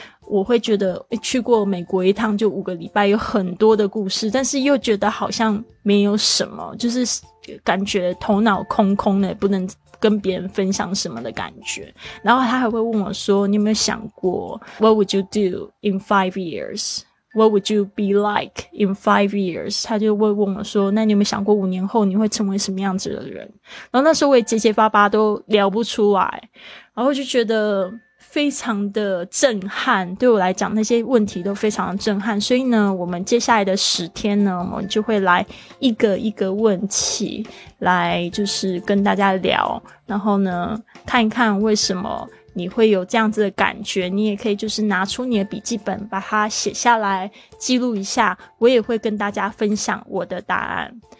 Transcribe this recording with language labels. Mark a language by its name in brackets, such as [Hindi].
[Chinese] 我会觉得去过美国一趟就5个礼拜有很多的故事，但是又觉得好像没有什么，就是感觉头脑空空的，不能跟别人分享什么的感觉。然后他还会问我说你有没有想过 [English] What would you do in 5 years? What would you be like in 5 years? [Chinese] 他就会问我说那你有没有想过5年后你会成为什么样子的人。然后那时候我也结结巴巴都聊不出来，然后就觉得非常的震撼，对我来讲那些问题都非常的震撼。所以呢我们接下来的10天呢我们就会来一个一个问题来就是跟大家聊，然后呢看一看为什么你会有这样子的感觉，你也可以就是拿出你的笔记本把它写下来记录一下，我也会跟大家分享我的答案。